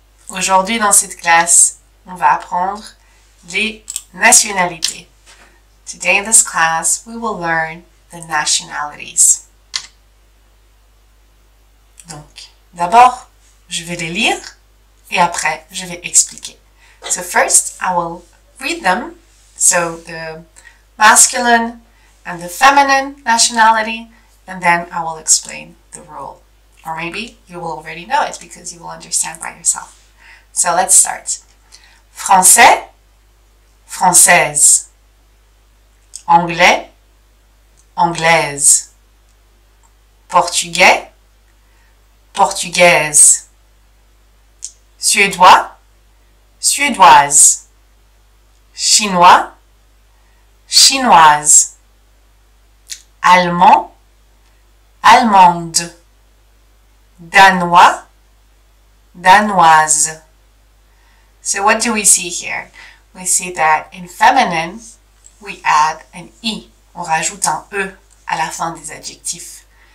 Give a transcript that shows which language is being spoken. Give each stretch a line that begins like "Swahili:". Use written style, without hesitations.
French: Aujourd'hui dans cette classe, on va apprendre les nationalités.
English: Today in this class, we will learn the nationalities.
French: Donc, d'abord, je vais les lire et après, je vais expliquer.
English: So first, I will read them. So the masculine and the feminine nationality, and then I will explain the rule. Or maybe you will already know it because you will understand by yourself. So let's start. Français, française.
French: Anglais, anglaise. Portugais, portugaise. Suédois, suédoise. Chinois, chinoise. Allemand, allemande. Danois, danoise.
English: So what do we see here? We see that in feminine, we add an I.
French: On rajoute un E à la fin des adjectifs.